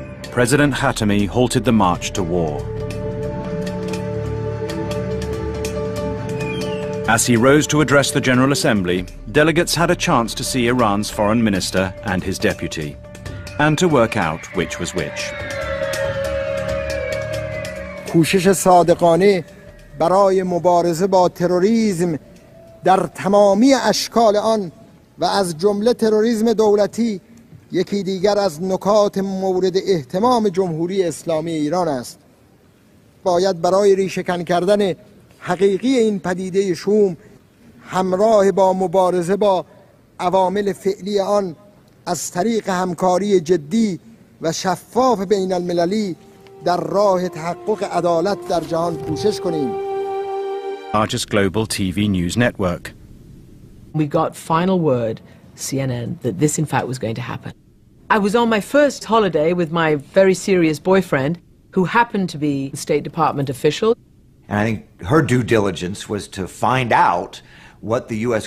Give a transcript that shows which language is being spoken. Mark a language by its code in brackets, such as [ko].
[en] President Khatami halted the march to war. As he rose to address the General Assembly, delegates had a chance to see Iran's foreign minister and his deputy, and to work out which was which. [fa] کوشش صادقانه برای مبارزه با تروریسم در تمامی اشکال آن و از جمله تروریسم دولتی یکی دیگر از نکات مورد اهتمام جمهوری اسلامی ایران است. باید برای ریشه‌کن کردن حقیقی این پدیده شوم همراه با مبارزه با عوامل فعلی آن از طریق همکاری جدی و شفاف بین المللی در راه تحقق عدالت در جهان کوشش کنیم. [en] Largest global TV news network. We got final word, CNN, that this in fact was going to happen. I was on my first holiday with my very serious boyfriend, who happened to be a State Department official. And I think her due diligence was to find out what the U.S.